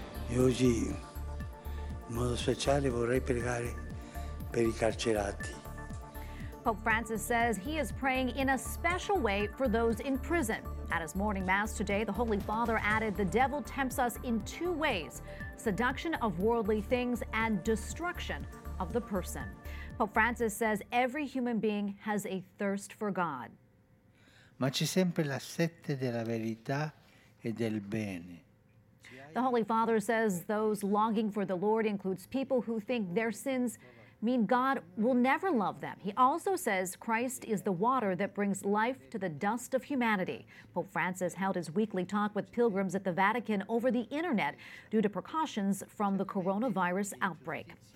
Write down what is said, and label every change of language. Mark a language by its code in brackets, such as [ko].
[it] Io oggi, in modo speciale, vorrei pregare per I carcerati. [en] Pope Francis says he is praying in a special way for those in prison. At his morning mass today, the Holy Father added the devil tempts us in two ways, seduction of worldly things and destruction of the person. Pope Francis says every human being has a thirst for God. [it] Ma c'è sempre la sete della verità e del bene. [en] The Holy Father says those longing for the Lord includes people who think their sins mean God will never love them. He also says Christ is the water that brings life to the dust of humanity. Pope Francis held his weekly talk with pilgrims at the Vatican over the internet due to precautions from the coronavirus outbreak.